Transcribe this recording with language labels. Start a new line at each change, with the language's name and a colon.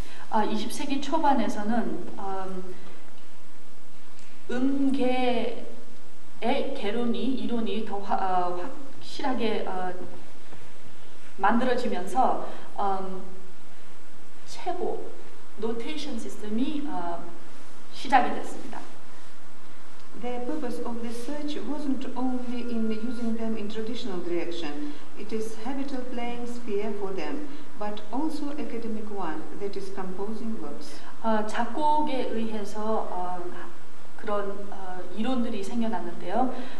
Korean: 20세기 초반에서는 음계의 개론이 이론이 더 확실하게 만들어지면서 체보 노테이션 시스템이 시작이 됐습니다.
English: The purpose of this search wasn't only in using them in traditional direction. It is habitual playing sphere for them. But also academic one that is composing works.
Korean: 작곡에 의해서 그런 이론들이 생겨났는데요.